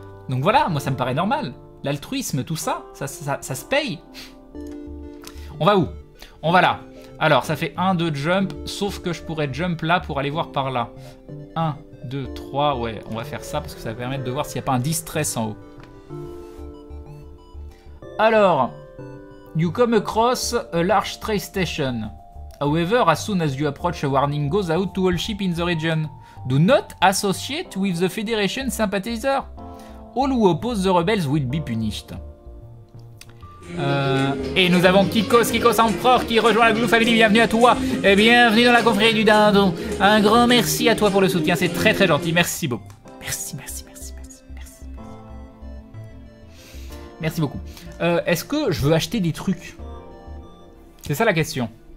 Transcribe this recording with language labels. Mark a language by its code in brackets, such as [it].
[fr] Donc voilà, moi ça me paraît normal. L'altruisme, tout ça, ça se paye. On va où? On va là. Alors, ça fait 1, 2 jump, sauf que je pourrais jump là pour aller voir par là. 1, 2, 3, ouais, on va faire ça parce que ça va permettre de voir s'il n'y a pas un distress en haut. [en] Alors, you come across a large trace station. However, as soon as you approach, a warning goes out to all ships in the region. Do not associate with the Federation sympathizer. All who oppose the rebels will be punished. [fr] Et nous avons Kikos, Kikos Empereur, qui rejoint la Glou Family. Bienvenue à toi et bienvenue dans la confrérie du dindon. Un grand merci à toi pour le soutien, c'est très très gentil. Merci beaucoup. Merci, merci, merci, merci, merci. Merci beaucoup. Est-ce que je veux acheter des trucs? C'est ça la question.